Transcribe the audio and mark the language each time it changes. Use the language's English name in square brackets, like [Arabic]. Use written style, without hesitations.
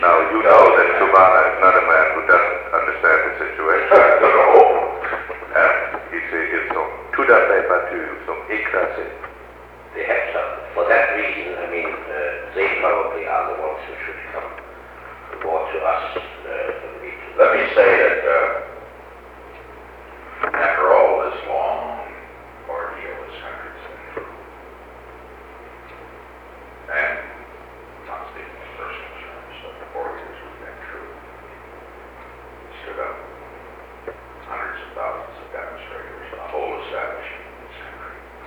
[English] Now, you know that Tuvana is not a man who doesn't understand the situation. No. And he said, [French] ils sont tout à fait battus, ils sont écrasés. [English] They have some. For that reason, I mean, they probably are the ones who should come more to us. Let me say that after all this long ordeal is hundreds and through, and not speaking in personal terms, but the 4 years we've been through, we stood up hundreds of thousands of demonstrators, the whole establishment in this country.